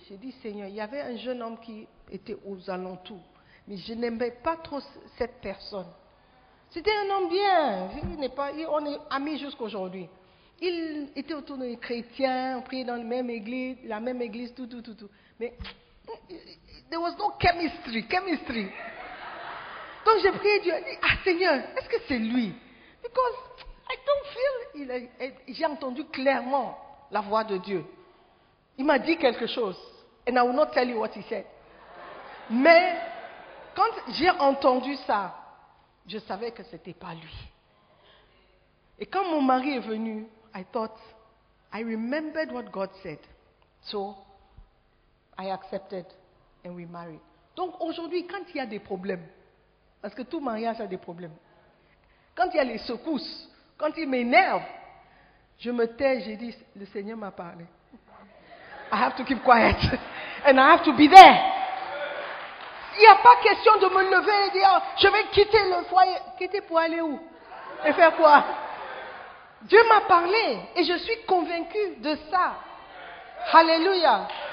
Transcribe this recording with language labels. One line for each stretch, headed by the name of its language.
French: J'ai dit, Seigneur, il y avait un jeune homme qui était aux alentours. Mais je n'aimais pas trop cette personne. C'était un homme bien. On est amis jusqu'à aujourd'hui. Il était autour des chrétiens, on priait dans la même église, tout. Mais
English: there was no chemistry.
French: Donc j'ai prié Dieu, j'ai dit, ah Seigneur, est-ce que c'est lui?
English: Because I don't feel,
French: j'ai entendu clairement la voix de Dieu. Il m'a dit quelque chose,
English: and I will not tell you what he said.
French: Mais quand j'ai entendu ça, je savais que ce n'était pas lui. Et quand mon mari est venu,
English: I remembered what God said. So, I accepted and we married.
French: Donc aujourd'hui, quand il y a des problèmes, parce que tout mariage a des problèmes, quand il y a les secousses, quand il m'énerve, je me tais, j'ai dit, le Seigneur m'a parlé.
English: I have to keep quiet and I have to be there.
French: Il n'y a pas question de me lever et dire, je vais quitter le foyer. Quitter pour aller où? Et faire quoi? Dieu m'a parlé et je suis convaincue de ça. Alléluia.